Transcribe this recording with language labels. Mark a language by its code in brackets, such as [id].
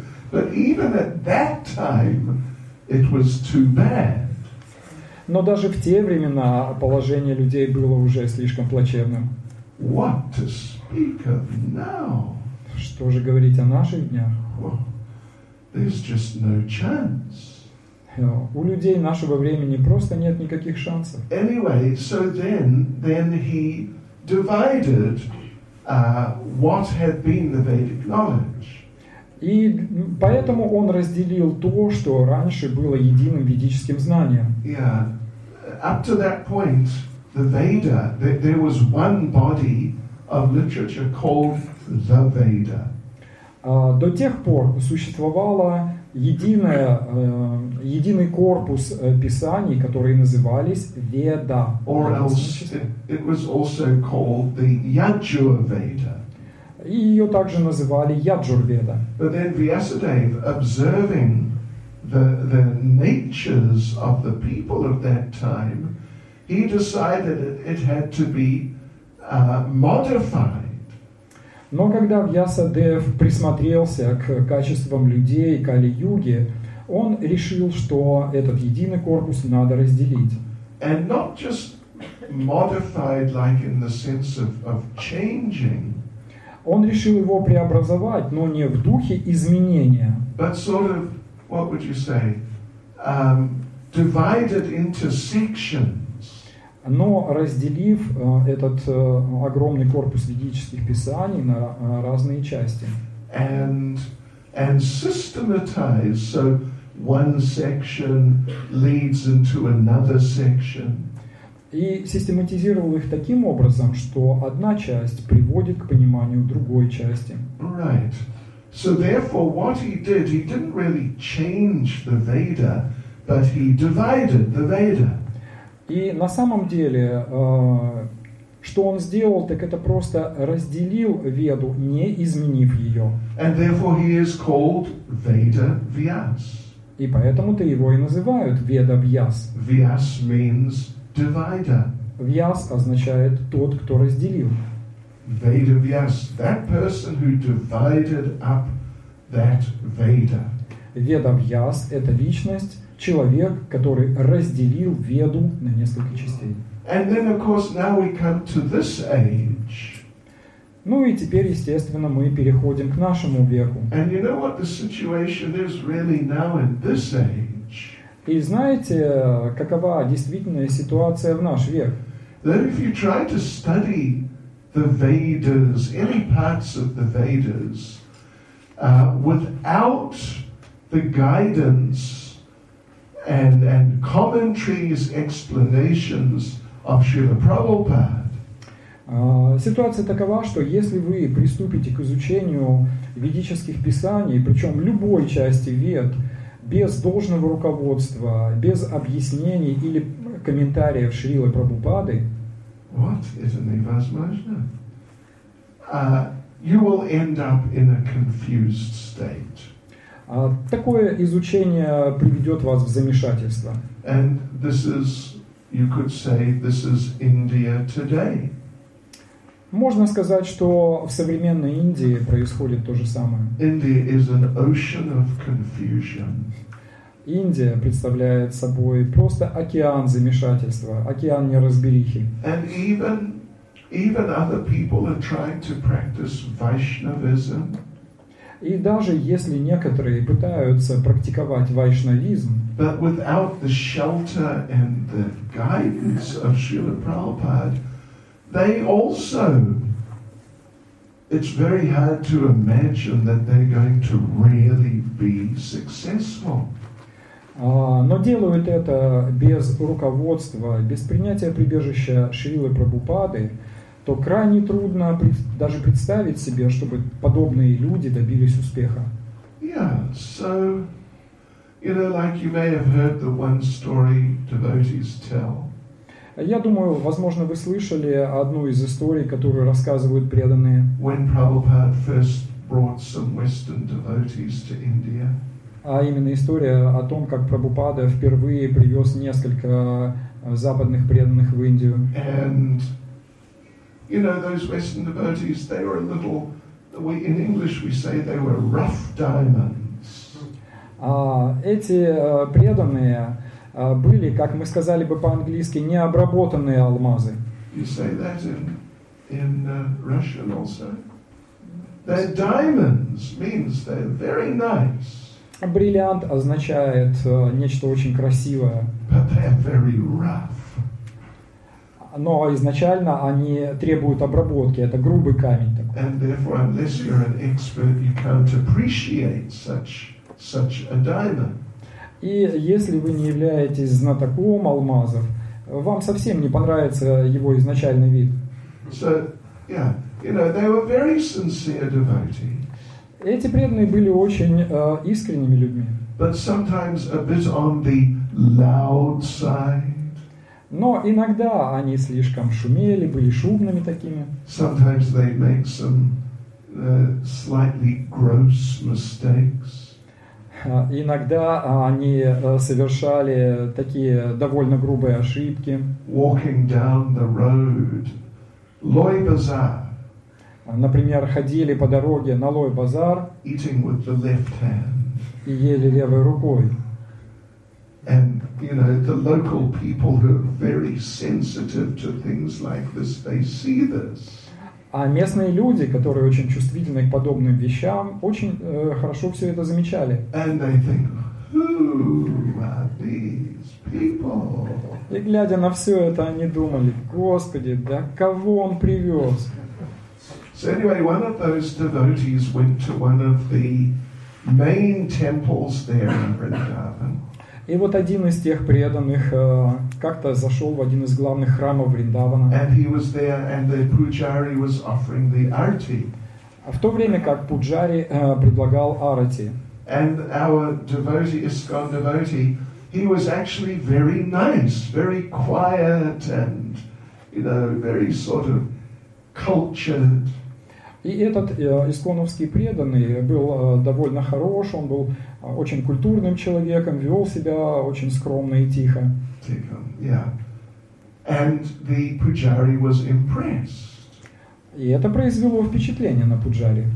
[en] But even at that time, it was too bad. [ru] Но даже в те времена положение людей было уже слишком плачевным. [en] What to speak of now? [ru] Что же говорить о наших днях? [en] There's just no chance. [ru] У людей нашего времени просто нет никаких шансов. [en] Anyway, so then he divided what had been the Vedic knowledge. [ru] И поэтому он разделил то, что раньше было единым ведическим знанием. [en] Yeah. Up to that point, the Veda, there was one body of literature called the Veda. [ru] До тех пор существовало единый корпус писаний, которые назывались Веда. [en] Or else it was also called the Yajurveda. [ru] И ее также называли Яджурведа. [en] But then Vyasadeva, observing the natures of the people of that time, he decided it had to be modified. [ru] Но когда Вьясадев присмотрелся к качествам людей Кали-Юги, он решил, что этот единый корпус надо разделить. [en] And not just modified like in the sense of changing. [ru] Он решил его преобразовать, но не в духе изменения. [en] But sort of, what would you say, divided into sections. [ru] Но разделив этот огромный корпус ведических писаний на разные части. [en] And systematized, so one section leads into another section. [ru] И систематизировал их таким образом, что одна часть приводит к пониманию другой части. [en] Right. So therefore, what he did, he didn't really change the Veda, But he divided the Veda. [ru] И на самом деле, что он сделал, так это просто разделил Веду, не изменив ее. [en] And therefore he is called Veda Vyas. [ru] И поэтому-то его и называют Веда Вьяс. [en] Vyas means divider. [ru] Вьяс означает тот, кто разделил. [en] Veda Vyas, that person who divided up that Veda. [ru] Веда Вьяс — это личность, человек, который разделил Веду на несколько частей. [en] And then, of course, now we come to this age. [ru] Ну и теперь, естественно, мы переходим к нашему веку. [en] And you know what the situation is really now in this age? [ru] И знаете, какова действительная ситуация в наш век? [en] That if you try to study the Vedas, any parts of the Vedas, without the guidance and commentaries, explanations of Srila Prabhupada. [ru] Ситуация такова, что если вы приступите к изучению ведических писаний, причем любой части Вед, без должного руководства, без объяснений или комментариев Шрилы Прабхупады, [en] what? [ru] Это невозможно. [en] You will end up in a confused state. [ru] Такое изучение приведет вас в замешательство. [en] And this is, you could say, this is India today. [ru] Можно сказать, что в современной Индии происходит то же самое. [en] India is an ocean of confusion. [ru] Индия представляет собой просто океан замешательства, океан неразберихи. [en] And even other people are trying to practice Vaishnavism. [ru] И даже если некоторые пытаются практиковать вайшнавизм, [en] but without the shelter and the guidance of Srila Prabhupada, they also, it's very hard to imagine that they're going to really be successful. [ru] Но делают это без руководства, без принятия прибежища Шрилы Прабхупады, то крайне трудно даже представить себе, чтобы подобные люди добились успеха. [en] Yeah, so, you know, like you may have heard the one story devotees tell. [ru] Я думаю, возможно, вы слышали одну из историй, которую рассказывают преданные. [en] When Prabhupada first brought some Western devotees to India. [ru] А именно история о том, как Прабхупада впервые привез несколько западных преданных в Индию. [en] And you know, those Western devotees, they were a little, in English we say they were rough diamonds. [ru] Эти преданные были, как мы сказали бы по-английски, необработанные алмазы. [en] You say that in Russian also. They're diamonds, means they're very nice. [ru] Бриллиант означает нечто очень красивое. [en] But they're very rough. [ru] Но изначально они требуют обработки. Это грубый камень такой. [en] And therefore, unless you're an expert, you can't appreciate such a diamond. [ru] И если вы не являетесь знатоком алмазов, вам совсем не понравится его изначальный вид. [en] So, yeah, you know, they were very sincere devotees. [ru] Эти преданные были очень искренними людьми. [en] But sometimes a bit on the loud side. [ru] Но иногда они слишком шумели, были шумными такими. [en] Sometimes they make some slightly gross mistakes. [ru] Иногда они совершали такие довольно грубые ошибки. [en] Walking down the road, Loy Bazaar. [ru] Например, ходили по дороге на Loy Bazaar. [en] Eating with the left hand. [ru] И ели левой рукой. [en] And you know, the local people who are very sensitive to things like this, they see this. [ru] А местные люди, которые очень чувствительны к подобным вещам, очень хорошо все это замечали. [en] And they think, who are these people? [ru] И глядя на все это, они думали, Господи, да кого он привез? [en] So anyway, one of those devotees went to one of the main temples there in Vrindavan. [ru] И вот один из тех преданных как-то зашел в один из главных храмов Вриндавана. [en] And he was there, and the Pujari was offering the arati. [ru] В то время как Пуджари предлагал арати. [en] And our devotee, Iskon devotee, he was actually very nice, very quiet, and, you know, very sort of cultured. [ru] И этот исконовский преданный был довольно хорош, он был очень культурным человеком, вел себя очень скромно и тихо. Тихо, [en] yeah. And the pujari was impressed. [ru] И это произвело впечатление на пуджари.